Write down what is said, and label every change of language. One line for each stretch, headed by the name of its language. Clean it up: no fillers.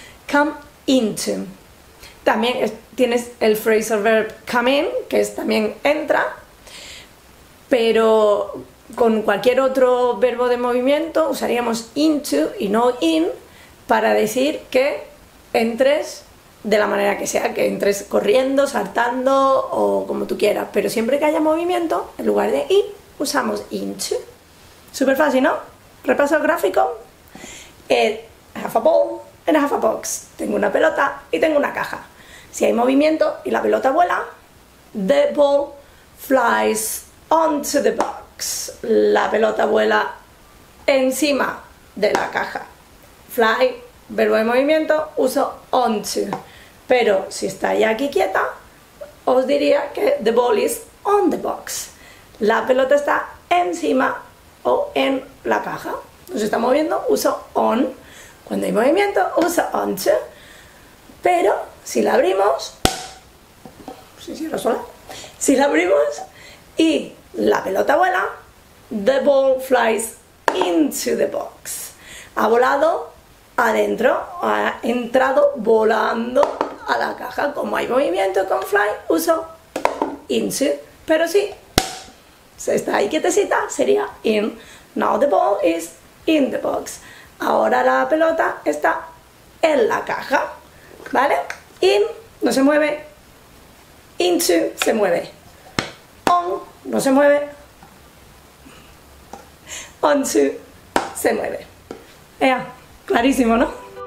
Spanish: Come into. También tienes el phrasal verb come in, que es también entra, pero con cualquier otro verbo de movimiento usaríamos into y no in, para decir que entres de la manera que sea, que entres corriendo, saltando o como tú quieras. Pero siempre que haya movimiento, en lugar de ir, usamos into. Súper fácil, ¿no? Repaso el gráfico.
English: Half a ball and half a box.
Spanish: Tengo una pelota y tengo una caja. Si hay movimiento y la pelota vuela,
English: the ball flies onto the box.
Spanish: La pelota vuela encima de la caja. Fly, verbo de movimiento, uso onto. Pero si está ya aquí quieta, os diría que
English: the ball is on the box.
Spanish: La pelota está encima o en la caja. No se está moviendo, uso on. Cuando hay movimiento, uso onto. Pero si la abrimos, se cierra sola. Si la abrimos y la pelota vuela,
English: the ball flies into the box.
Spanish: Ha volado adentro, ha entrado volando a la caja. Como hay movimiento con fly, uso into. Pero si se está ahí quietecita, sería in.
English: Now the ball is in the box.
Spanish: Ahora la pelota está en la caja, ¿vale? In, no se mueve. Into, se mueve. On, no se mueve. Onto, se mueve. Ea, clarísimo, ¿no?